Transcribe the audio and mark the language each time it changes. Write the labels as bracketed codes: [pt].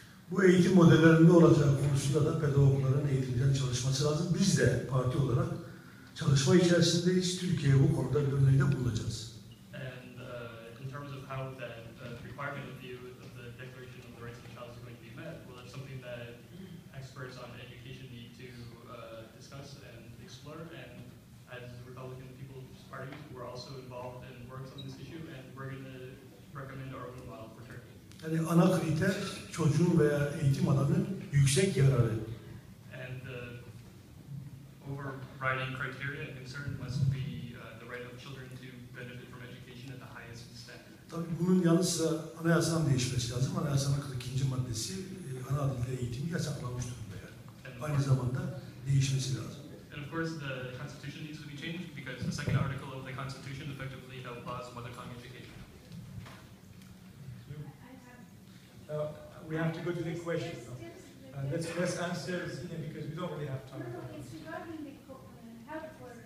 [tr] Bu eğitim modellerinin ne olacağı konusunda da pedagogların eğitimden çalışması lazım. Biz de parti olarak çalışma içerisindeyiz. Türkiye'ye bu konuda bir öneride bulunacağız. [en] And in terms of how the requirement of the Declaration of the Rights of the Child is going to be met, well, that's something that experts on education need to discuss and explore. And as the Republican People's Party, we're also involved and works on this issue, and we're going to recommend our own model for Turkey. [tr] Yani ana kriter çocuğun veya eğitim alanının yüksek yararı. [en] And the overriding criteria and concern must be the right of children to benefit from education at the highest standard. [tr] Tabii bunun yanı sıra anayasanın değişmesi lazım. Anayasanın 42. maddesi ana dilde eğitimi yasaklamış durumda yani. Aynı zamanda değişmesi lazım. [en] And of course the constitution needs to be changed because the second article of the constitution effectively outlaws mother tongue education. We have to go to the question. Let's answer Zine because we don't really have time. No, it's regarding the health order.